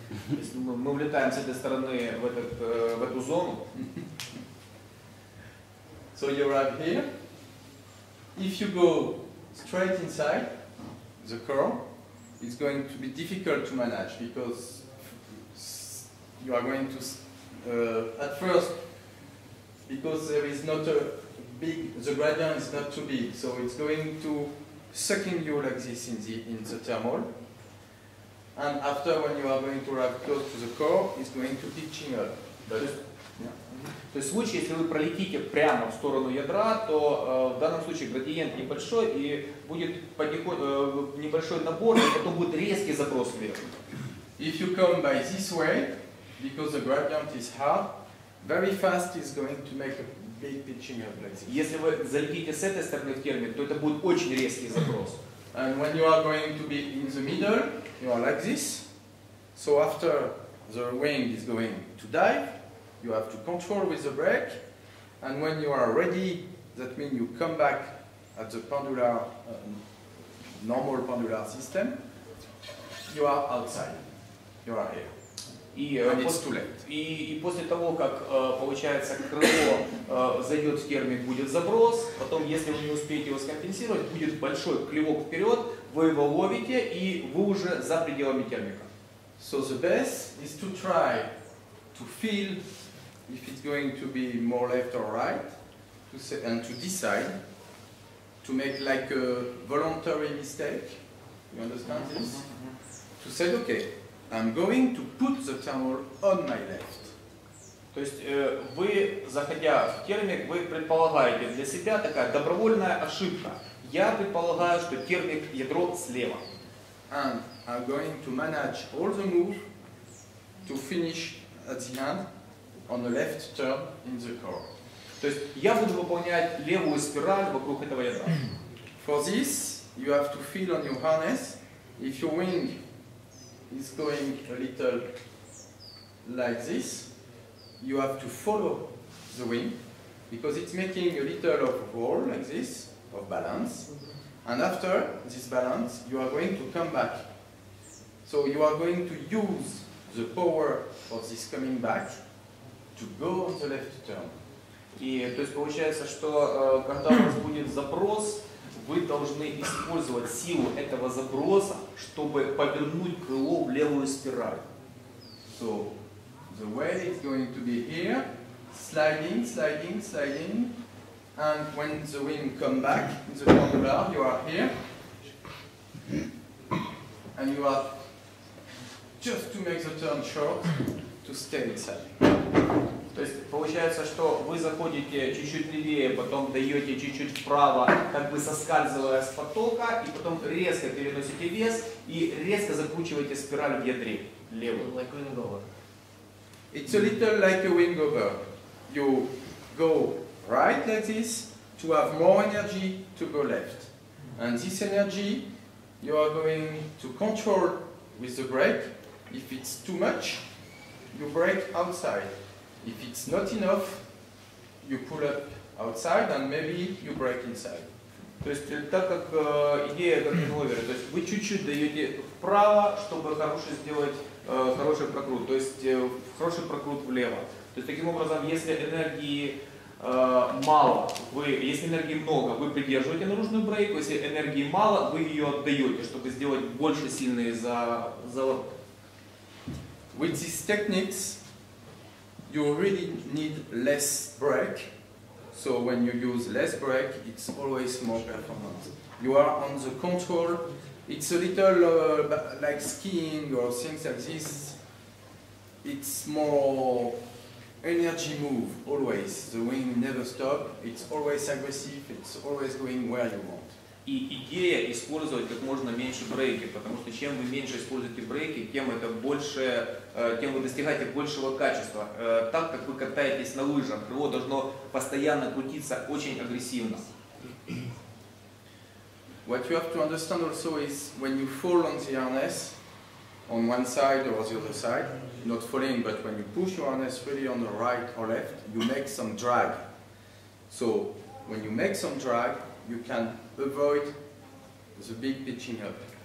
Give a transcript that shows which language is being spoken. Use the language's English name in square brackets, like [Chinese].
[Russian] Если мы влетаем с этой стороны в эту зону. [English] So you arrive here. If you go straight inside the curl, it's going to be difficult to manage because you are going to at first because there is not a big the gradient is not too big, so it's going to sucking you like this in the thermal. And after when you are going to arrive close to the core, it's going to be pitching up. [Russian] То есть в случае, если вы пролетите прямо в сторону ядра, то в данном случае градиент небольшой и будет небольшой набор, и потом будет резкий запрос вверх. [English] If you come by this way, because the gradient is hard, very fast is going to make a big pitching up like this. [Russian] Если вы залетите с этой стороны в термик, то это будет очень резкий запрос. [English] And when you are going to be in the middle, you are like this. So after the wing is going to dive, you have to control with the brake. And when you are ready, that means you come back at the pendula, normal pendula system, you are outside. You are here. [Russian] И после того, как получается крыло зайдет в термик, будет заброс, потом, если вы не успеете его скомпенсировать, будет большой клевок вперед, вы его ловите, и вы уже за пределами термика. [English] So the best is to try to feel if it's going to be more left or right, to say, and to decide to make like a voluntary mistake. You understand this? To say okay. I'm going to put the thermal on my left. [Russian] То есть вы, заходя в термик, вы предполагаете для себя такая добровольная ошибка. Я предполагаю, что термик ядро слева. [English] And I'm going to manage all the move to finish at the end on the left turn in the core. [Russian] То есть я буду выполнять левую спираль вокруг этого ядра. [English] For this, you have to feel on your harness if your wing is going a little like this. You have to follow the wing because it's making a little of roll like this, of balance. And after this balance, you are going to come back. So you are going to use the power of this coming back to go on the left turn. [Russian] И то есть получается, что когда у вас будет запрос, вы должны использовать силу этого заброса, чтобы повернуть крыло в левую спираль. [English] So the way is going to be here, sliding, sliding, sliding, and when the wind come back in the front bar, you are here, and you are just to make the turn short to stay inside. [Russian] То есть получается, что вы заходите чуть-чуть левее, потом даете чуть-чуть вправо, как бы соскальзывая с потока, и потом резко переносите вес и резко закручиваете спираль в ядре левую. [English] Like wing over. It's a little like a wing over. You go right like this to have more energy to go left. And this energy you are going to control with the brake. If it's too much, you brake outside. If it's not enough, you pull up outside and maybe you break inside. [Russian] То есть так как идея как ловер, то есть вы чуть-чуть даете вправо, чтобы хорошо сделать хороший прокрут, то есть хороший прокрут влево. То есть таким образом, если энергии мало, вы, если энергии много, вы придерживаете наружную брейку, если энергии мало, вы ее отдаете, чтобы сделать больше сильный заворот. [English] With these techniques, you really need less brake, so when you use less brake, it's always more performance. You are on the control. It's a little like skiing or things like this. It's more energy move always. The wing never stop. It's always aggressive. It's always going where you want. [Russian] И идея использовать как можно меньше брейки, потому что чем вы меньше используете брейки, тем это больше, тем вы достигаете большего качества. Так как вы катаетесь на лыжах, крыло должно постоянно крутиться очень агрессивно. [English] What you have to understand also is when you fall on the harness on one side or the other side, not falling, but when you push your harness really on the right or left, you make some drag. So when you make some drag, you can avoid the big pitching up.